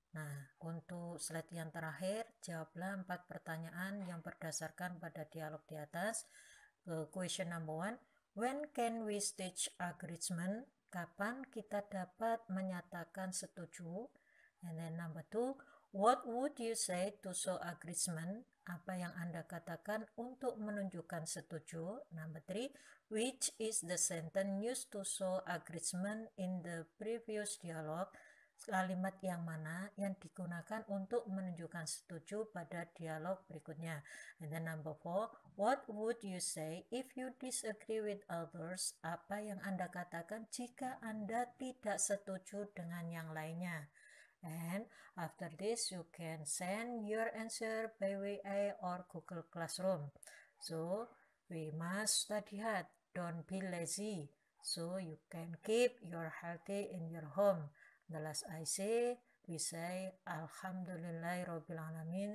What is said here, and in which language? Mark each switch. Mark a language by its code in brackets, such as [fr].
[id] Nah, untuk slide yang terakhir, jawablah 4 pertanyaan yang berdasarkan pada dialog di atas. [en] Question number 1, when can we stage agreement? [id] Kapan kita dapat menyatakan setuju? [en] And then number 2, what would you say to show agreement? [id] Apa yang Anda katakan untuk menunjukkan setuju? [en] Number 3, which is the sentence used to show agreement in the previous dialogue? [id] Kalimat yang mana yang digunakan untuk menunjukkan setuju pada dialog berikutnya? [en] And then number 4, what would you say if you disagree with others? [id] Apa yang Anda katakan jika Anda tidak setuju dengan yang lainnya? [en] And after this, you can send your answer by WA or Google Classroom. So, we must study hard. Don't be lazy. So, you can keep your healthy in your home. The last I say, we say, [ar] Alhamdulillahi Rabbil Alamin.